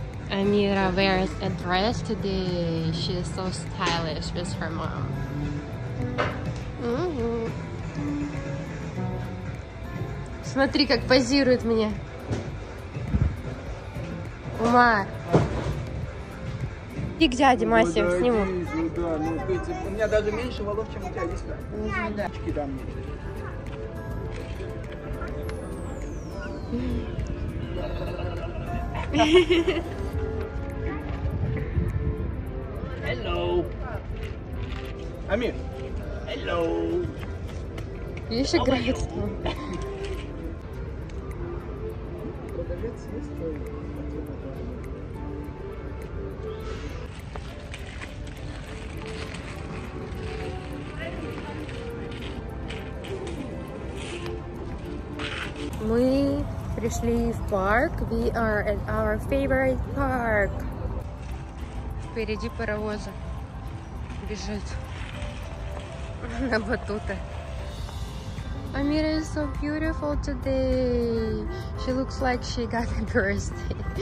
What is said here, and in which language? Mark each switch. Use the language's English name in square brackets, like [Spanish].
[English] Амира wears a dress today. She is so stylish with her mom. Mm-hmm. [Russian] Смотри, как позирует мне. Умар. Иди к дяде Масе, сниму. У меня даже меньше волос, чем у тебя, есть, да? [English] Hello. [Russian] Амир. [English] Hello. [Russian] Видишь, играет с ним. Мы пришли в парк. [English] We are at our favorite park. [Russian] Впереди паровоза бежит на батуте. [English] Амира is so beautiful today. She looks like she got a birthday.